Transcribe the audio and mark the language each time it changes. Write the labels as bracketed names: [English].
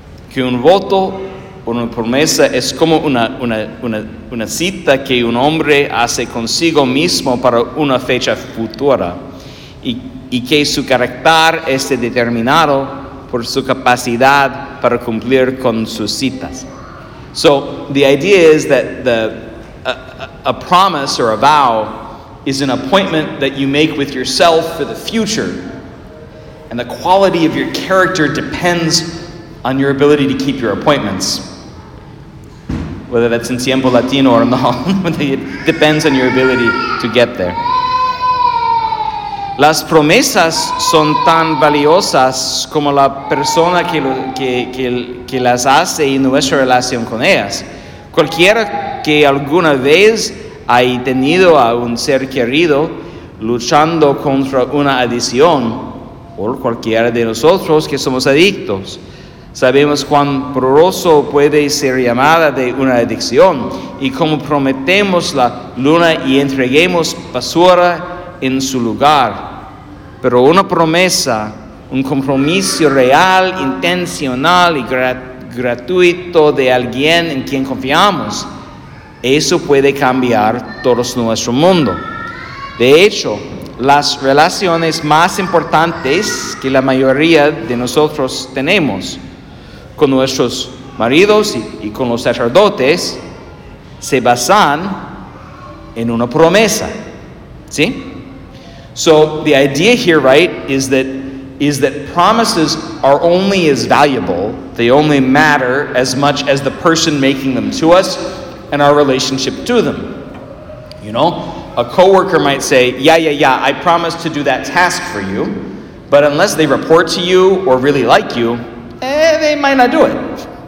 [Spanish] que un voto o una promesa es como una cita que un hombre hace consigo mismo para una fecha futura, y que su carácter esté determinado por su capacidad para cumplir con sus citas. [English] So the idea is that a promise or a vow is an appointment that you make with yourself for the future, and the quality of your character depends on your ability to keep your appointments. Whether that's in [Spanish] tiempo latino [English] or not, it depends on your ability to get there. [Spanish] Las promesas son tan valiosas como la persona que las hace y nuestra relación con ellas. Cualquiera que alguna vez haya tenido a un ser querido luchando contra una adicción, o cualquiera de nosotros que somos adictos, sabemos cuán poderoso puede ser llamada de una adicción, y cómo prometemos la luna y entreguemos basura en su lugar. Pero una promesa, un compromiso real, intencional y gratuito de alguien en quien confiamos, eso puede cambiar todo nuestro mundo. De hecho, las relaciones más importantes que la mayoría de nosotros tenemos con nuestros maridos y con los sacerdotes se basan en una promesa, ¿sí? [English] So the idea here, right, is that promises are only as valuable, they only matter as much as the person making them to us and our relationship to them. You know, a coworker might say, yeah, I promise to do that task for you, but unless they report to you or really like you, they might not do it.